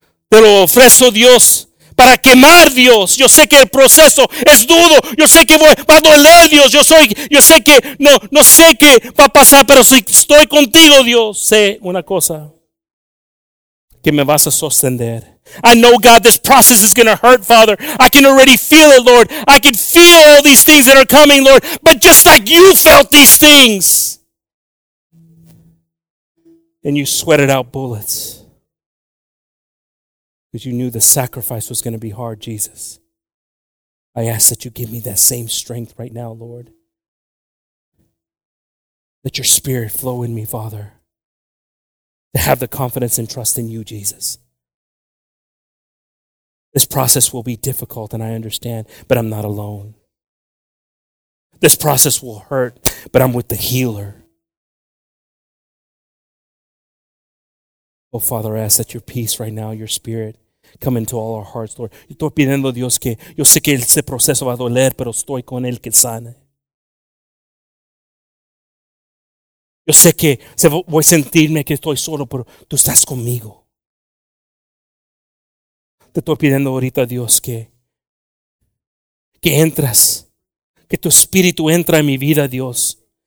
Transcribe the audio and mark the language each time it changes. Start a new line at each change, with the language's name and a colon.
Spanish: Te lo ofrezco, Dios, para quemar, Dios. Yo sé que el proceso es duro. Yo sé que va a doler, Dios. Yo sé que no sé qué va a pasar, pero si estoy contigo, Dios, sé una cosa, que me vas a sostener.
English: I know, God, this process is going to hurt, Father. I can already feel it, Lord. I can feel all these things that are coming, Lord. But just like you felt these things, and you sweated out bullets because you knew the sacrifice was going to be hard, Jesus, I ask that you give me that same strength right now, Lord. Let your spirit flow in me, Father, to have the confidence and trust in you, Jesus. This process will be difficult, and I understand, but I'm not alone. This process will hurt, but I'm with the healer. Oh, Father, I ask that your peace right now, your spirit, come into all our hearts, Lord.
Spanish: Yo estoy pidiendo, Dios, que yo sé que ese proceso va a doler, pero estoy con él que sane. Yo sé que voy a sentirme que estoy solo, pero tú estás conmigo. Te estoy pidiendo ahorita, Dios, que entras, que tu espíritu entra en mi vida, Dios.